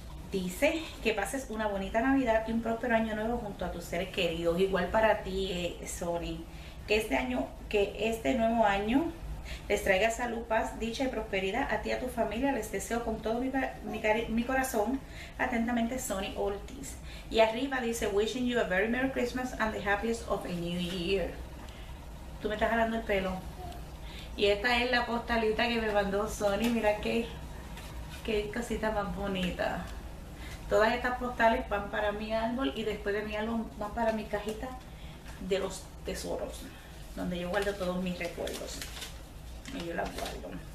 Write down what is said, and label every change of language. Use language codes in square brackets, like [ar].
[es] Dice que pases una bonita Navidad y un próspero año nuevo junto a tus seres queridos. Igual para ti, Sony. Que este nuevo año les traiga salud, paz, dicha y prosperidad a ti y a tu familia. Les deseo con todo mi corazón. Atentamente, Sony Ortiz. Y arriba dice: [en] Wishing you a very Merry Christmas and the happiest of a New Year. [es] Tú me estás jalando el pelo. Y esta es la postalita que me mandó Sony. Mira qué cosita más bonita. Todas estas postales van para mi árbol y después de mi álbum van para mi cajita de los tesoros, donde yo guardo todos mis recuerdos. Y yo las guardo.